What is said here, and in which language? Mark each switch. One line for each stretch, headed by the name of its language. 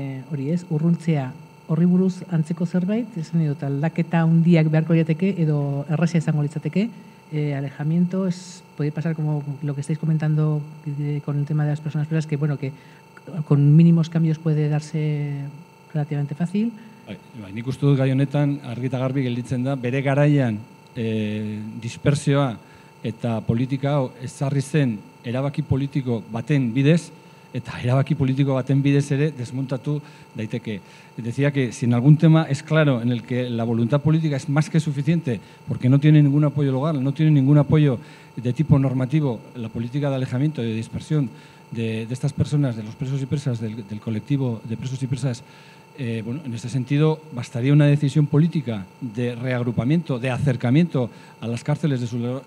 Basque: Hori ez, urruntzea horri buruz antzeko zerbait, esan edo, aldaketa handiak beharko liateke edo erresia izango litzateke,
Spanish: alejamiento, es, puede pasar como lo que estáis comentando con el tema de las personas presas, que bueno, que con mínimos cambios puede darse relativamente fácil.
Basque: Bai, nik uste dut gai honetan argi eta garbi gelditzen da, bere garaian dispersioa eta politika hau ezarri zen erabaki politiko baten bidez, eta erabaki politiko baten bidez ere desmontatu daiteke.
Spanish: Decía que si en algún tema es claro en el que la voluntad política es más que suficiente porque no tiene ningún apoyo legal, no tiene ningún apoyo de tipo normativo, la política de alejamiento y de dispersión de estas personas, de los presos y presas, del colectivo de presos y presas, bueno, en este sentido bastaría una decisión política de reagrupamiento, de acercamiento a las cárceles de su...